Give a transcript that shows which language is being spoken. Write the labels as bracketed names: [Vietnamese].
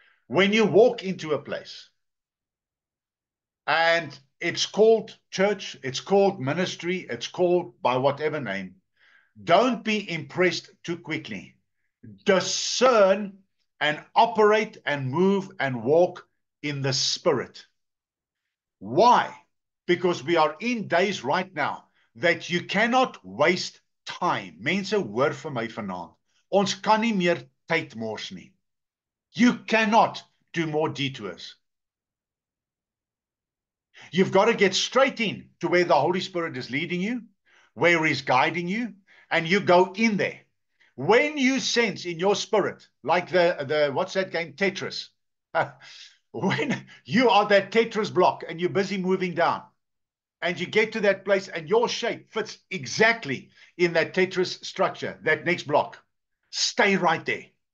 [English] When you walk into a place and it's called church, it's called ministry, it's called by whatever name, don't be impressed too quickly. Discern and operate and move and walk in the Spirit. Why? Because we are in days right now that you cannot waste time. [Afrikaans] Mense, hoor vir my vanaand. Ons kan nie meer tyd mors nie. [English] You cannot do more detours. You've got to get straight in to where the Holy Spirit is leading you, where He's guiding you, and you go in there. When you sense in your spirit, like the what's that game, Tetris, when you are that Tetris block and you're busy moving down, and you get to that place and your shape fits exactly in that Tetris structure, that next block, stay right there.